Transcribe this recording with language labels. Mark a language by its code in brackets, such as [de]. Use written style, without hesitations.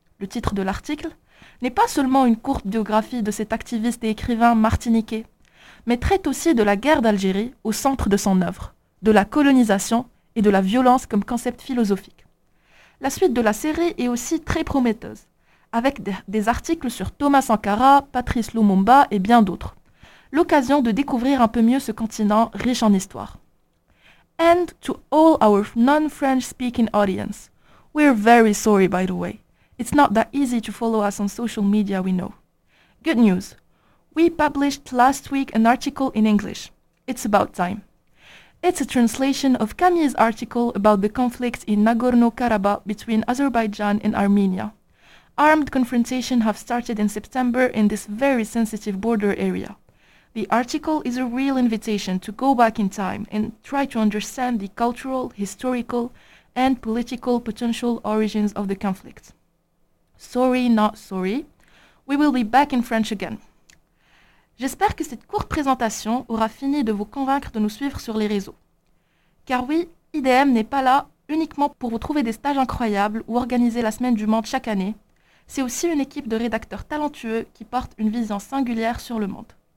[fr] Le titre de l'article n'est pas seulement une courte biographie de cet activiste et écrivain martiniquais, mais traite aussi de la guerre d'Algérie au centre de son œuvre, de la colonisation et de la violence comme concept philosophique. La suite de la série est aussi très prometteuse, avec des articles sur Thomas Sankara, Patrice Lumumba et bien d'autres. L'occasion de découvrir un peu mieux ce continent riche en histoire. [en] And to all our non-French speaking audience, we're very sorry by the way. It's not that easy to follow us on social media, we know. Good news. We published last week an article in English. It's about time. It's a translation of Camille's article about the conflict in Nagorno-Karabakh between Azerbaijan and Armenia. armed confrontations have started in September in this very sensitive border area. The article is a real invitation to go back in time and try to understand the cultural, historical, and political potential origins of the conflict. Sorry, not sorry. We will be back in French again. [fr] J'espère que cette courte présentation aura fini de vous convaincre de nous suivre sur les réseaux. Car oui, IDM n'est pas là uniquement pour vous trouver des stages incroyables ou organiser la semaine du monde chaque année. C'est aussi une équipe de rédacteurs talentueux qui porte une vision singulière sur le monde.